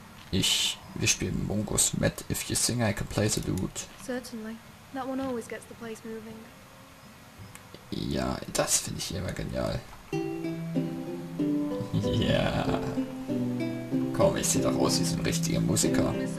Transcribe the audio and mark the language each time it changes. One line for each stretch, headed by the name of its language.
German: Wir spielen Mungus Matt.
English: If you sing, I can play the lute. Certainly. That one always gets the place moving.
German: Ja, das finde ich immer genial. Ja. Komm, ich sehe doch aus wie so ein richtiger Musiker.